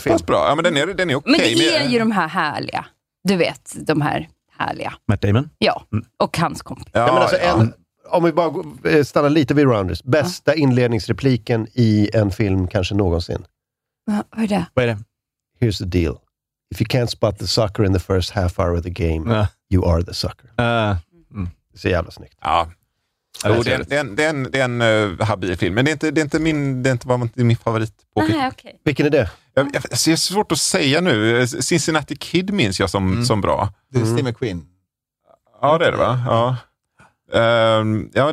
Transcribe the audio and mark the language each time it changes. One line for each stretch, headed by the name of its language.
Swedish: Så pass bra. Ja, men den är okej. Okay, men det är ju de här härliga. Du vet, de här härliga. Matt Damon? Ja, och hans kompis. Ja, men alltså om vi bara stannar lite vid Rounders. Bästa inledningsrepliken i en film kanske någonsin. Vad är det? Vad är det?
English: Here's the deal. If you can't spot the sucker in the first half hour of the game, you are the sucker.
Swedish: Det ser jävla snyggt. Ja. Det är en habil film, men det är inte min favorit. Okay. Vilken är det? Jag ser svårt att säga nu. Cincinnati Kid minns jag som bra. Det är Steve McQueen. Ja, det är det, va? Ja. Den gillar